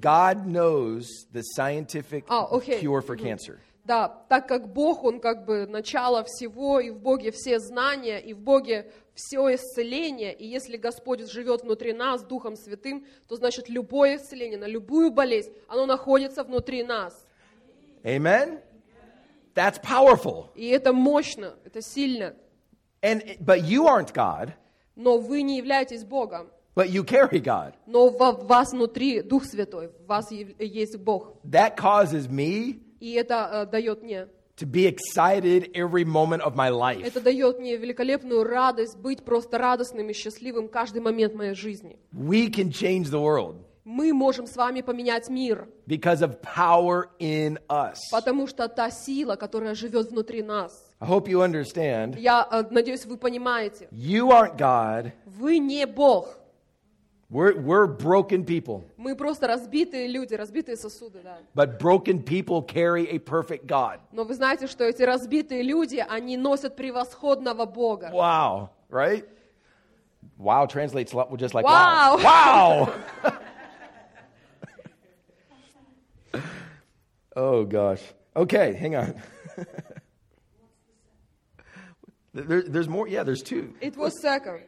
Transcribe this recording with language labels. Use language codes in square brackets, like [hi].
[en] God knows the scientific cure for cancer. [ru] Да, так как Бог, Он как бы начало всего, и в Боге все знания, и в Боге все исцеление, и если Господь живет внутри нас Духом Святым, то значит любое исцеление на любую болезнь, оно находится внутри нас. [en] Amen? That's powerful. [ru] И это мощно, это сильно. [en] And, but you aren't God. [ru] Но вы не являетесь Богом. [en] But you carry God. [ru] Но в вас внутри Дух Святой, в вас есть Бог. [en] That causes me [ru] и это дает мне [en] to be excited every moment of my life. [ru] Это дает мне великолепную радость быть просто радостным и счастливым каждый момент моей жизни. [en] We can change the world. [ru] Мы можем с вами поменять мир. [en] Because of power in us. [ru] Потому что та сила, которая живет внутри нас. [en] I hope you understand. [ru] Я надеюсь, вы понимаете. [en] You aren't God. [ru] Вы не Бог. [en] We're broken people. [ru] Мы просто разбитые люди, разбитые сосуды, да. [en] But broken people carry a perfect God. [ru] Но вы знаете, что эти разбитые люди, они носят превосходного Бога. [en] Wow, right? Wow translates just like wow. Wow! Oh, gosh. Okay, hang on. There's more. Yeah, there's two. It was second.